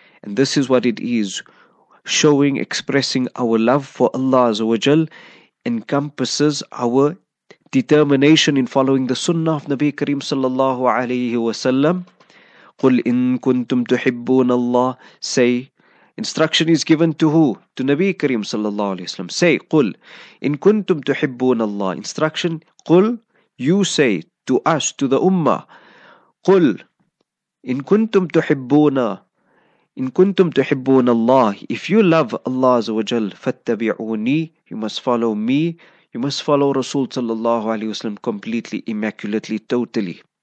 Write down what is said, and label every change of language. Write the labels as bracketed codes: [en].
[en] And this is what it is, showing, expressing our love for Allah Azza wa Jal encompasses our determination in following the sunnah of Nabi Kareem sallallahu alayhi wa sallam. [ar] قُلْ إِن كُنْتُمْ تُحِبُّونَ اللَّهِ. [en] Say, instruction is given to who? To Nabi Kareem sallallahu alayhi wa sallam. Say, [ar] قُلْ إِن كُنْتُمْ تُحِبُّونَ اللَّهِ. [en] Instruction, قُلْ, you say to us, to the ummah, [ar] قُلْ إِن كُنْتُمْ تُحِبُّونَ, إِن كُنْتُمْ تُحِبُّونَ اللَّهِ, [en] if you love Allah Azza wa Jal, [ar] فَاتَّبِعُونِي, [en] you must follow me. You must follow Rasul sallallahu alayhi wa sallam completely, immaculately, totally.